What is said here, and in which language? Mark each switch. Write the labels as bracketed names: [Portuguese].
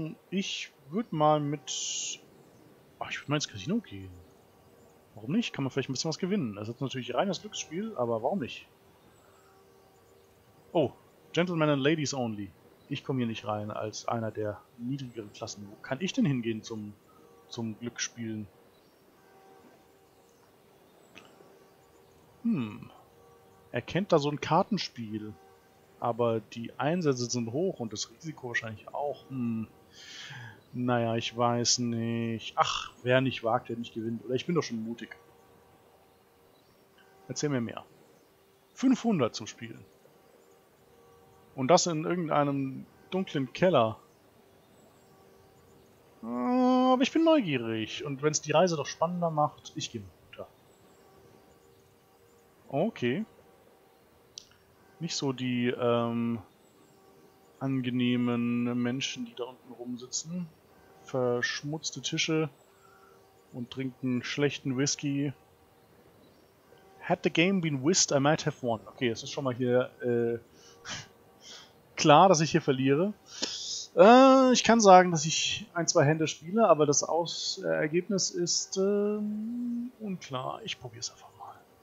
[German] Ich würde mal ich würde mal ins Casino gehen. Warum nicht? Kann man vielleicht ein bisschen was gewinnen. Das ist natürlich reines Glücksspiel, aber warum nicht? [English] Oh, Gentlemen and Ladies only. [German] Ich komme hier nicht rein als einer der niedrigeren Klassen. Wo kann ich denn hingehen zum Glücksspielen? Er kennt da so ein Kartenspiel. Aber die Einsätze sind hoch und das Risiko wahrscheinlich auch. Naja, ich weiß nicht. Ach, wer nicht wagt, der nicht gewinnt. Oder ich bin doch schon mutig. Erzähl mir mehr. 500 zum Spielen. Und das in irgendeinem dunklen Keller. Aber ich bin neugierig. Und wenn es die Reise doch spannender macht, ich gehe. Okay. Nicht so die angenehmen Menschen, die da unten rumsitzen. Verschmutzte Tische und trinken schlechten Whisky. [English] Had the game been whist, I might have won. [German] Okay, es ist schon mal hier klar, dass ich hier verliere. Ich kann sagen, dass ich ein, zwei Hände spiele, aber das Ergebnis ist unklar. Ich probiere es einfach mal.